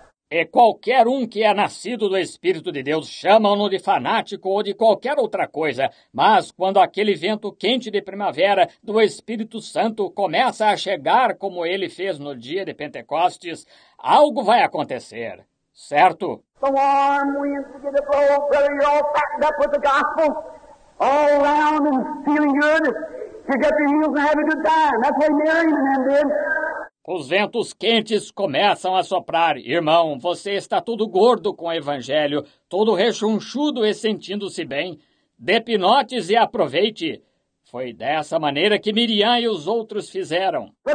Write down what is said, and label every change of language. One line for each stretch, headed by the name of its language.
Portuguese: E qualquer um que é nascido do Espírito de Deus, chamam-no de fanático ou de qualquer outra coisa. Mas quando aquele vento quente de primavera do Espírito Santo começa a chegar como ele fez no dia de Pentecostes, algo vai acontecer, certo?
English: The warm winds begin to blow, brother, you're all fattened up with the gospel. All around and feeling good. You get your heels and have a good time. That's what Mary and them did.
Portuguese: Os ventos quentes começam a soprar. Irmão, você está todo gordo com o evangelho, todo rechonchudo e sentindo-se bem. Dê pinotes e aproveite. Foi dessa maneira que Miriam e os outros fizeram.